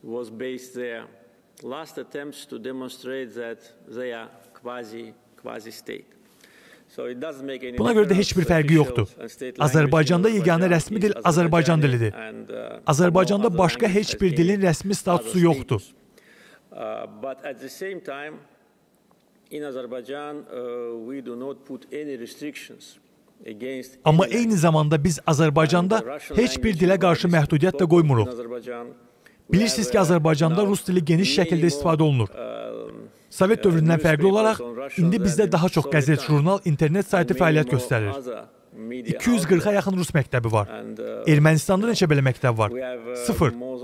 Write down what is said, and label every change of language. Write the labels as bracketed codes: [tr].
[az] Buna görə də heç bir fərqi yoxdur. Azərbaycanda yeganə rəsmi dil Azərbaycan dilidir. Azərbaycanda başqa heç bir dilin rəsmi statusu yoxdur. [en] But at the same time, in Azerbaijan we do not put any restrictions against. [az] Amma eyni zamanda biz Azərbaycanda heç bir dilə qarşı məhdudiyyət də qoymuruq. Bilirsiniz ki, Azərbaycanda rus dili geniş şəkildə istifadə olunur. Sovet dövründən fərqli olaraq indi bizdə daha çox qəzet, jurnal, internet saytı fəaliyyət göstərir. 240-a yaxın rus məktəbi var. Ermənistanda neçə belə məktəb var? Sıfır.